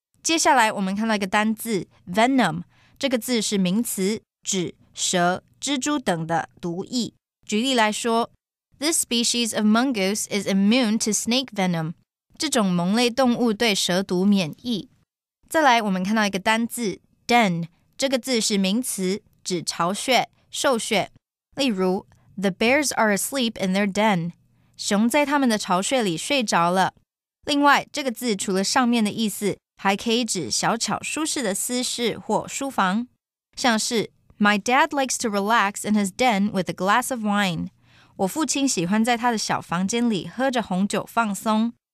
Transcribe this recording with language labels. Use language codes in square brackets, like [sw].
[zh] 接下来我们看到一个单字 venom， 这个字是名词，指蛇、蜘蛛等的毒液。举例来说 [en] ，This species of mongoose is immune to snake venom. [zh] 这种猛类动物对蛇毒免疫。再来，我们看到一个单字 den， 这个字是名词。指巢穴、兽穴。例如 [en] ,The bears are asleep in their den. [zh] 熊在他们的巢穴里睡着了。另外这个字除了上面的意思还可以指小巧舒适的私室或书房。像是 [en] ,My dad likes to relax in his den with a glass of wine. [zh] 我父亲喜欢在他的小房间里喝着红酒放松。